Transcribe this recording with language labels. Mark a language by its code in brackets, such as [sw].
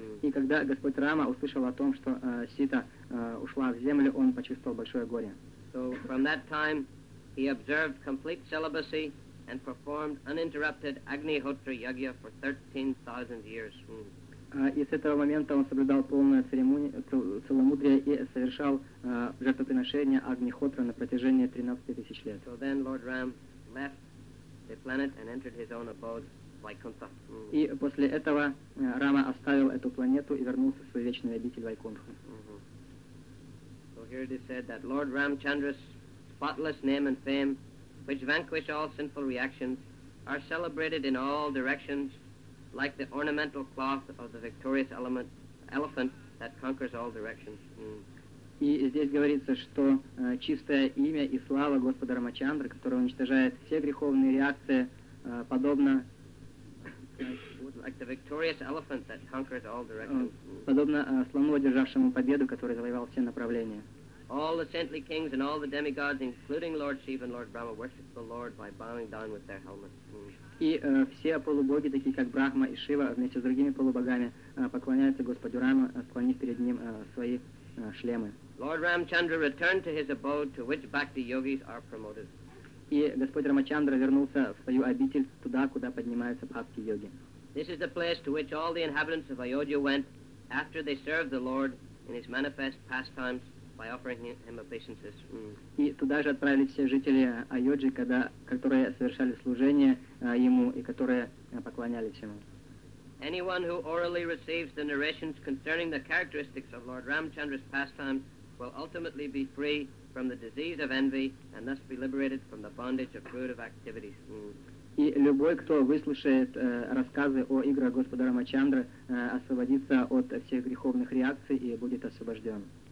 [ru] И когда Господь Рама услышал о том, что Сита ушла в землю, он почувствовал большое горе. [en] So from that time, he observed complete celibacy and performed uninterrupted Agnihotra Yajna for 13,000 years. [ru] И с этого момента он соблюдал полную церемонию целомудрия и совершал жертвоприношение Агнихотра на протяжении 13,000 лет. [en] So then Lord Ram left the planet and entered his own abode, Vaikuntha. [ru] И после этого Рама оставил эту планету и вернулся в свой вечный обитель Вайкунтху. [en] So here it is said that Lord Ramchandra's spotless name and fame, which vanquish all sinful reactions, are celebrated in all directions, like the ornamental cloth of the victorious elephant that conquers all directions. [ru] И здесь говорится, что чистое имя и слава Господа Рамачандры, которое уничтожает все греховные реакции, подобно [en] like the victorious elephant that conquers all directions. [ru] Подобно слону, одержавшему победу, который завоевал все направления. [en] All the saintly kings and all the demigods, including Lord Shiva and Lord Brahma, worship the Lord by bowing down with their helmets. [ru] И все полубоги, такие как Брахма и Шива, вместе с другими полубогами, поклоняются Господу Раме, склонив перед ним свои шлемы. [en] Lord Ramchandra returned to his abode, to which bhakti yogis are promoted. [ru] И Господь Рамачандра вернулся в свою обитель, туда, куда поднимаются бхакти йоги. [en] This is the place to which all the inhabitants of Ayodhya went after they served the Lord in his manifest pastimes, by offering him obeisances. [ru] И туда же отправились все жители Айоджи, которые совершали служение ему и которые поклонялись ему. [en] Anyone who orally receives the narrations concerning the characteristics of Lord Ramchandra's pastime will ultimately be free from the disease of envy and thus be liberated from the bondage of prudive activities. [ru] И любой, кто выслушает рассказы о играх Господа Рамачандры, освободится от всех греховных реакций и будет освобожден.